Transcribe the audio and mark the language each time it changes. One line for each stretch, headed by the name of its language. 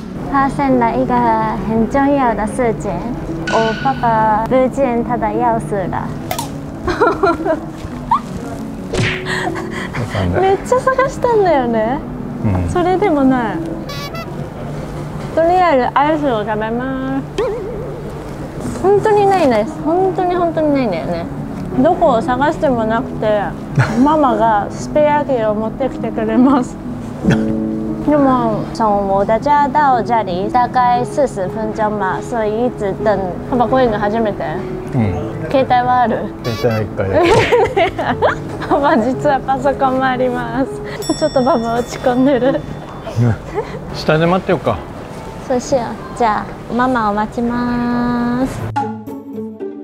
Chinese: 发现了一个很重要的事情，我爸爸不见他的钥匙了。
Japanese: めっちゃ探したんだよね。それでもない。とりあえずアイスを食べます。本当にないね。本当にないんだよね。どこを探してもなくて、ママがスペアキーを持ってきてくれます。
Chinese: でも、从我的家到家里大概40分钟嘛，所以一直等。
Japanese: パパこういうの初めて？携帯はある？携帯一回。パパ実はパソコンもあります。ちょっとパパ落ち込んでる。下で待ってよか。そうしよう。じゃあママを待ちます。